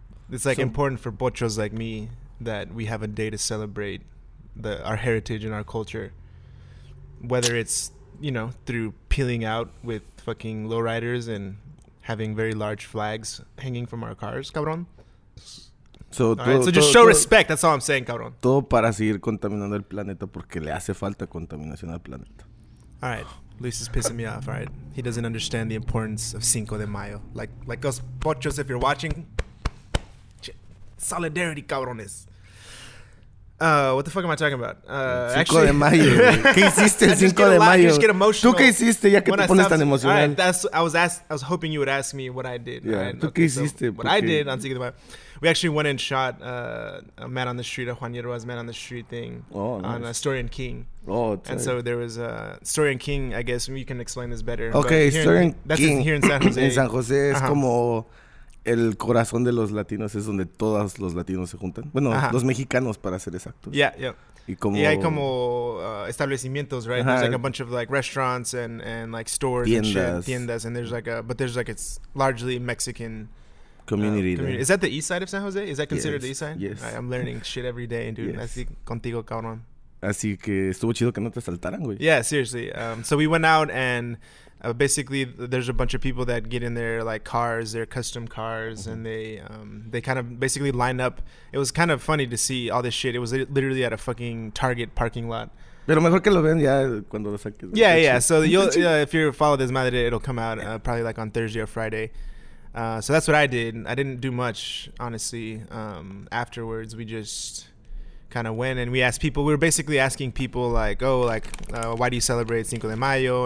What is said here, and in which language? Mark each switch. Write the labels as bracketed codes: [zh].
[en] It's like important for bochos like me that we have a day to celebrate our heritage and our culture. Whether it's, you know, through peeling out with fucking lowriders and... having very large flags hanging from our cars, cabrón. So, respect. That's all I'm saying, cabrón. [es] Todo para seguir contaminando el planeta porque le hace falta contaminación al planeta. [en] All right. Luis is pissing me off, all right? He doesn't understand the importance of Cinco de Mayo. Like us pochos, if you're watching. Solidarity, cabrones. What the fuck am I talking about? [es] Cinco de mayo. ¿Qué hiciste el cinco de mayo? [en] I just get emotional. [es] ¿Tú qué hiciste ya que te pones tan emocional? [en] All right, I was hoping you would ask me what I did. Yeah. Right? ¿Tú qué hiciste? So, what I did on cinco de mayo. We actually went and shot a Man on the Street, a Juan Yerba's Man on the Street thing on Story and King. Oh, and so there was a Story and King, I guess you can explain this better. Okay, Story and King. That's here in San Jose. [es] En San Jose es como el corazón de los latinos, es donde todos los latinos se juntan. Bueno, los mexicanos para ser exactos. [en] Yeah, yeah. [es] Y como y hay como establecimientos, right? [en] There's like a bunch of like restaurants and like stores, [es] tiendas. [en] And shit, tiendas, and there's like a but there's like it's largely Mexican community. Is that the east side of San Jose? Is that considered the east side? Yes. I'm learning shit every day, dude. Yes. Así contigo, cabrón. [es] Así que estuvo chido que no te saltaran, güey. [en] Yeah, seriously. So we went out and basically there's a bunch of people that get in their like cars, their custom cars, mm-hmm. and they kind of basically line up. It was kind of funny to see all this shit. It was literally at a fucking Target parking lot. [es] Pero mejor que lo ven ya cuando lo saques. [en] Yeah, yeah. So you'll, if you follow this madre, it'll come out probably like on Thursday or Friday. So that's what I did. I didn't do much, honestly. Afterwards, we just kind of went and we asked people. We were basically asking people like, oh, like, why do you celebrate Cinco de Mayo?